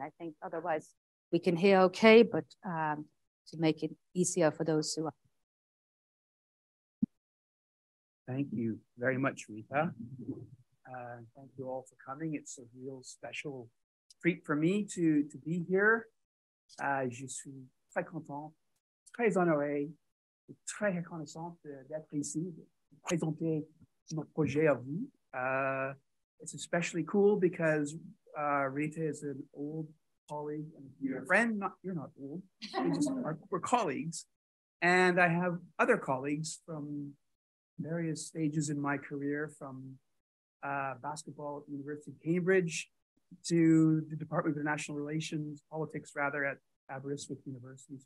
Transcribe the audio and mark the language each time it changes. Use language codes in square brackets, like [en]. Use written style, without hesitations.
[en] I think otherwise we can hear okay, but to make it easier for those who are. Thank you very much, Rita. Thank you all for coming. It's a real special treat for me to be here. [fr] Je suis très content, très honoré, très reconnaissant d'être ici, de présenter mon projet à vous. [en] It's especially cool because Rita is an old colleague and friend. You're not old, we're colleagues. And I have other colleagues from various stages in my career, from basketball at the University of Cambridge to the Department of International Relations, politics rather, at Aberystwyth University.